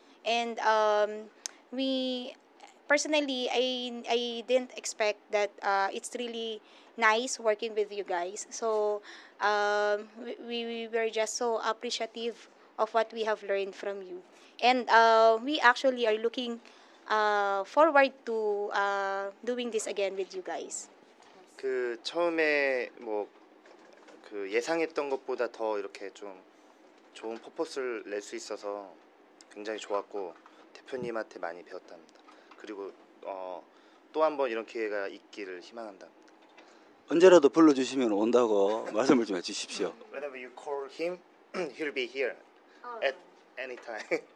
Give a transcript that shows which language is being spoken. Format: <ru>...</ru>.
<en>And we personally, I didn't expect that it's really nice working with you guys. So we were just so appreciative of what we have learned from you. And we actually are looking forward to doing this again with you guys.</en> <ko>그 처음에 뭐 그 예상했던 것보다 더 이렇게 좀 좋은 퍼포스를 낼 수 있어서 굉장히 좋았고 대표님한테 많이 배웠답니다. 그리고 또 한번 이런 기회가 있기를 희망한답니다. 언제라도 불러주시면 온다고 말씀을 좀 해주십시오.</ko> <en>Whenever you call him, he'll be here at any time.</en>